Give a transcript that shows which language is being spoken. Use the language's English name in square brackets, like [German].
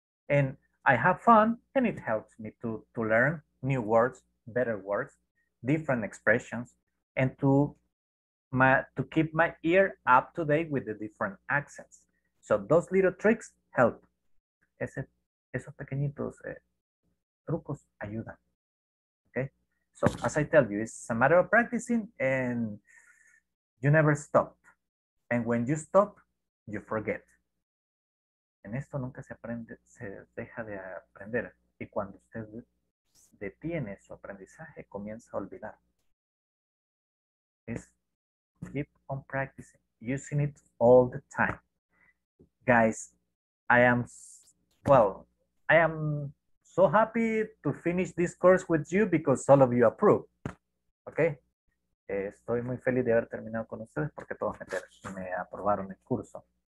[English] And I have fun, and it helps me to learn new words, better words, different expressions, and to keep my ear up to date with the different accents. So those little tricks help. [Spanish] Esos pequeñitos trucos ayudan. [English] Okay? So as I tell you, it's a matter of practicing, and you never stop. And when you stop, you forget. [Spanish] En esto nunca se aprende, se deja de aprender. Y cuando usted detiene su aprendizaje, comienza a olvidar. [English] Es keep on practicing, using it all the time. Guys, I am so happy to finish this course with you because all of you approve. Okay? [Spanish] Estoy muy feliz de haber terminado con ustedes porque todos me aprobaron el curso.